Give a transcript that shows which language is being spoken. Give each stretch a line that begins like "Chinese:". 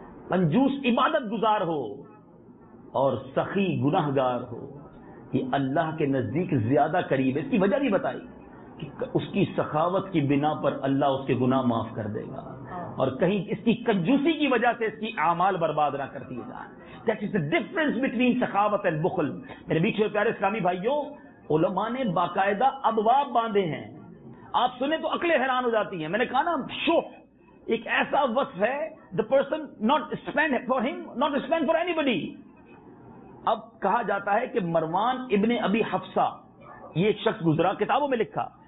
Urdu: کنجوس عبادت گزار ہو اور سخی گناہگار ہو, یہ اللہ کے نزدیک زیادہ قریب ہے. اس کی وجہ بھی بتائی کہ اس کی سخاوت کی بنا پر اللہ اس کے گناہ معاف کر دے گا, اور کہیں اس کی کنجوسی کی وجہ سے اس کی اعمال برباد نہ کر دیے گا.
English: That is the difference between سخاوت and بخل.
Urdu: میرے بیچے پیارے اسلامی بھائیوں, علماء نے باقاعدہ ابواب باندھے ہیں. آپ سنیں تو عقلیں حیران ہو جاتی ہیں. میں نے کہا نا شوف ایک ایسا وصف ہے,
English: The person not spend for him, not spend for anybody.
Urdu: اب کہا جاتا ہے کہ مروان ابن ابی حفصہ یہ ایک شخص گزرا, کتابوں میں لکھا.